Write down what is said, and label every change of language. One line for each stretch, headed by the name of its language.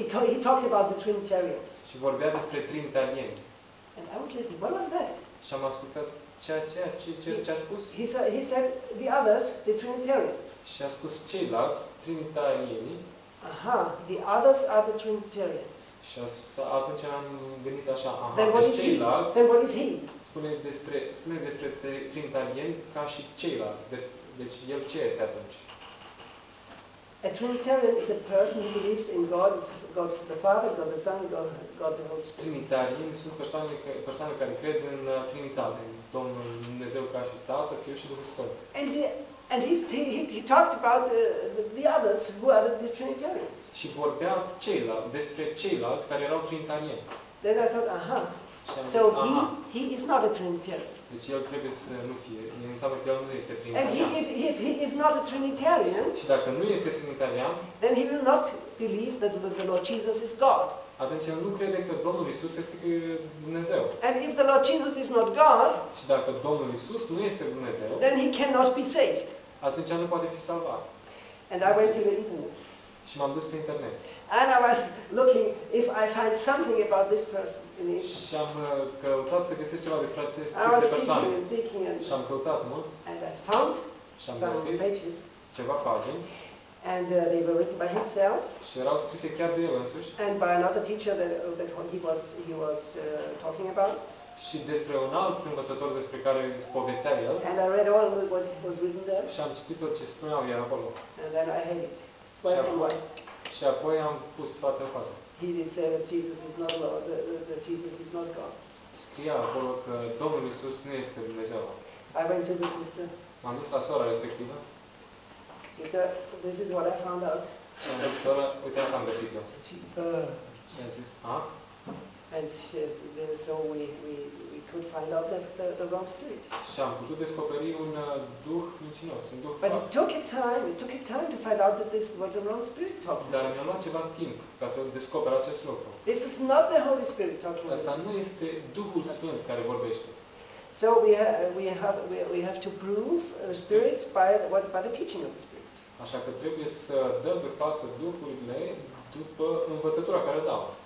English: He talked about the Trinitarians.
Romanian: Și vorbea despre trinitarieni.
English: And I was listening. What was that?
Romanian: Și am ascultat ce a spus?
English: He said the others, the Trinitarians.
Romanian: Și a spus ceilalți, trinitarieni.
English: Aha, the others are the Trinitarians.
Romanian: Și atunci am gândit așa, ceilalți.
English: Then what is he?
Romanian: Spune despre trinitarieni ca și ceilalți. Deci el ce este atunci?
English: A Trinitarian is a person who believes in God, God the Father, God the Son, God the Holy Spirit.
Romanian: Trinitarieni sunt persoane care cred în Trinitate, în Domnul Dumnezeu ca și Tată, Fiul și Duhul Sfânt.
English: And he talked about the others who are the Trinitarians.
Romanian: Și vorbea despre ceilalți care erau trinitarieni.
English: Then I thought, aha. So he is not a Trinitarian.
Romanian: Deci el trebuie să nu fie, înseamnă că el nu este trinitarian.
English: And if he is not a Trinitarian,
Romanian: și dacă nu este trinitarian,
English: then he will not believe that the Lord Jesus is God.
Romanian: Atunci el nu crede că Domnul Iisus este Dumnezeu.
English: And if the Lord Jesus is not God,
Romanian: și dacă Domnul Iisus nu este Dumnezeu,
English: then he cannot be saved.
Romanian: Atunci el nu poate fi salvat.
English: And I went to the internet.
Romanian: Și m-am dus pe internet.
English: And I was looking if I find something about this person in it.
Romanian: Și am căutat să găsesc ceva despre acest tip de persoană.
English: Seeking.
Romanian: Și am căutat mult.
English: And I found some pages.
Romanian: Ceva pagini.
English: And they were written by himself.
Romanian: Și erau scrise chiar de el însuși.
English: And by another teacher that he was talking about.
Romanian: Și despre un alt învățător despre care povestea el.
English: And I read all what was written there.
Romanian: Și am citit tot ce spunea el acolo.
English: And then I hate it. Black and white.
Romanian: Și apoi am pus față în față.
English: He did say that Jesus is not Lord, that Jesus is not God.
Romanian: Scria acolo că Domnul Iisus nu este Dumnezeu.
English: I went to the sister.
Romanian: M-am dus la sora respectivă.
English: Sister, this is what I found out.
Romanian: Și am zis, sora, uite asta am găsit eu. Și a zis, a?
English: And she said, then so we could find out the wrong spirit.
Romanian: Și am putut descoperi un duh mincinos, un duh fals.
English: But it took time to find out that this was a wrong spirit talking.
Romanian: Dar mi-a luat ceva timp ca să descoper acest lucru.
English: This was not the Holy Spirit talking.
Romanian: Asta nu este Duhul Sfânt care vorbește.
English: So we have to prove spirits by the teaching of the spirits.
Romanian: Așa că trebuie să dăm pe față duhurile după învățătura care o dau.